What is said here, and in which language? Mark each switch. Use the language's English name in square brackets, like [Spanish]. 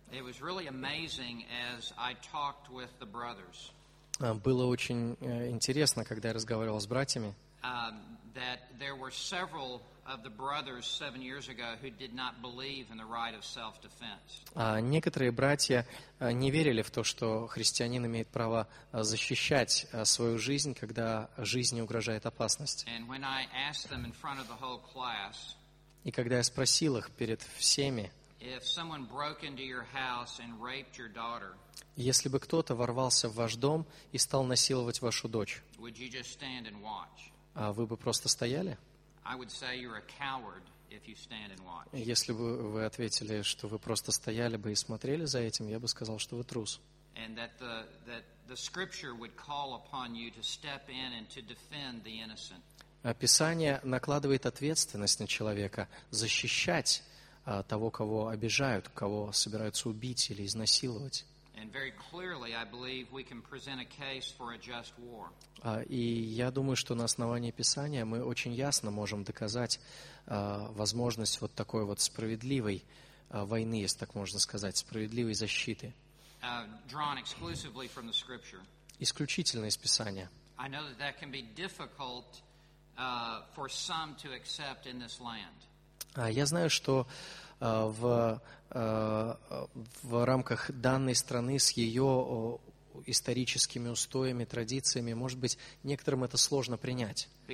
[English] It was really amazing as I talked with the brothers. [Russian] Было очень интересно, когда я разговаривал с братьями. [English] That there were several of the brothers 7 years ago who did not believe in the right of self-defense. [Russian] Некоторые братья не верили в то, что христианин имеет право защищать свою жизнь, когда жизни угрожает опасность. [English] And when I asked them in front of the whole class, [Russian] и когда я спросил их перед всеми, [English] if someone broke into your house and raped your daughter, [Russian] если бы кто-то ворвался в ваш дом и стал насиловать вашу дочь, [English] would you just stand and watch? [Russian] А вы бы просто стояли? [English] I would say you're a coward if you stand and watch. [Russian] Если бы вы ответили, что вы просто стояли бы и смотрели за этим, я бы сказал, что вы трус. [English] And that the scripture would call upon you to step in and to defend the innocent. [Russian] Писание накладывает ответственность на человека защищать того, кого обижают, кого собираются убить или изнасиловать. [English] And very clearly, I believe we can present a case for a just war. [Russian] И я думаю, что на основании Писания мы очень ясно можем доказать возможность вот такой вот справедливой войны, если так можно сказать, справедливой защиты. [English] Drawn exclusively from the Scripture. [Russian] Исключительно из Писания. [English] I know that can be difficult for some to accept in this land. [Russian] Я знаю, что в рамках данной страны с ее историческими устоями, традициями, может быть, некоторым это сложно принять.